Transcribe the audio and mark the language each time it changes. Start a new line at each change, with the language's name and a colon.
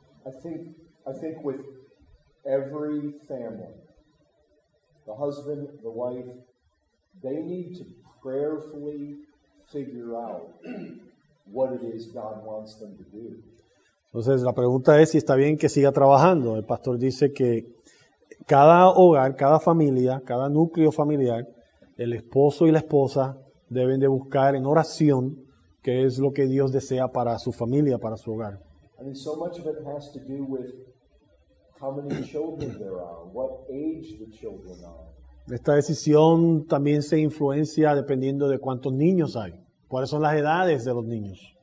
English: I think with every family, the husband, the wife, they need to prayerfully figure out what it is God wants them to do.
Spanish: Entonces la pregunta es si está bien que siga trabajando. El pastor dice que cada hogar, cada familia, cada núcleo familiar, el esposo y la esposa deben de buscar en oración qué es lo que Dios desea para su familia, para su hogar.
English: I mean, so much of it has to do with how many children there are, what age the children are.
Spanish: Esta decisión también se influencia dependiendo de cuántos niños hay, cuáles son las edades de los niños.